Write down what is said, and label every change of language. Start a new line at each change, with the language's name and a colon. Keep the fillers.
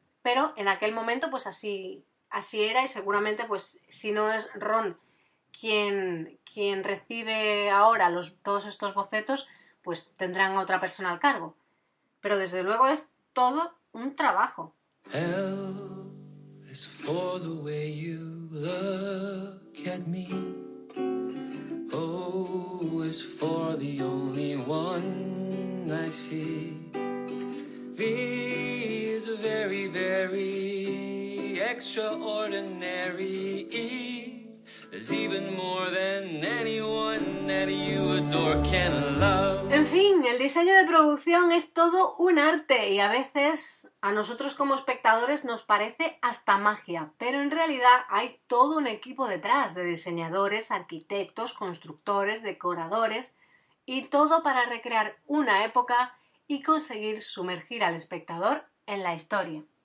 Spanish: Pero en aquel momento, pues así, así era y seguramente, pues si no es Ron quien, quien recibe ahora los, todos estos bocetos, pues tendrán otra persona al cargo. Pero desde luego es todo un trabajo. El...
English: is for the way you look at me. O is for the only one I see. V is very, very extraordinary. E is even more than anyone that you adore can love.
Spanish: En fin, el diseño de producción es todo un arte y a veces a nosotros como espectadores nos parece hasta magia, pero en realidad hay todo un equipo detrás de diseñadores, arquitectos, constructores, decoradores y todo para recrear una época y conseguir sumergir al espectador en la historia.